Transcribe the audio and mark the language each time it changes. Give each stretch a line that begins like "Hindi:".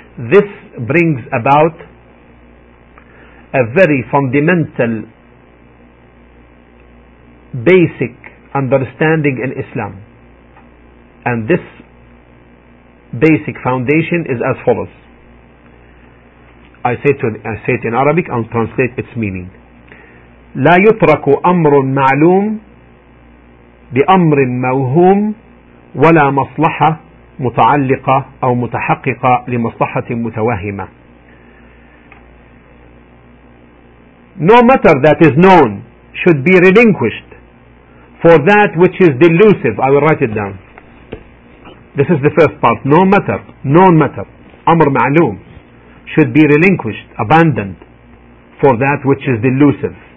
English: This brings about a very fundamental, basic understanding in Islam. And this basic foundation is as follows. I say it in Arabic, I'll translate its meaning.
Arabic: لا يترك أمر معلوم بأمر موهوم ولا مصلحة متعلقة أو متحققة لمصلحة متوهمة.
English: No matter that is known should be relinquished for that which is delusive. I will write it down. This is the first part. No matter, known matter,
Arabic: أمر معلوم,
English: should be relinquished, abandoned for that which is delusive.